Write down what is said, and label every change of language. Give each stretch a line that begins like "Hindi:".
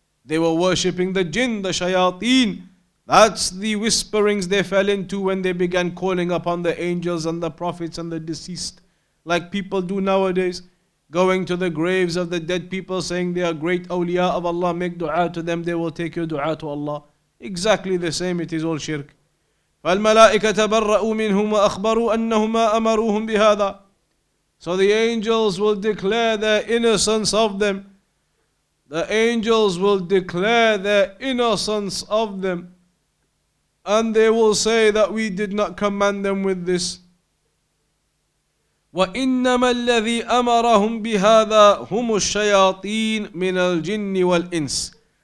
English: They were worshipping the jinn, the shayateen. That's the whisperings they fell into when they began calling upon the angels and the prophets and the deceased, like people do nowadays, going to the graves of the dead people, saying they are great awliya of Allah. Make dua to them, they will take your dua to Allah. Exactly the same, it is all shirk.
Arabic: فالملائكة برأوا منهم وأخبروا أنهما أمروهم بهذا.
English: So the angels will declare their innocence of them. The angels will declare their innocence of them. And they will say that we did not command them with this.
Arabic: وإنما الذي أمرهم بهذا هم الشياطين من الجن والإنس.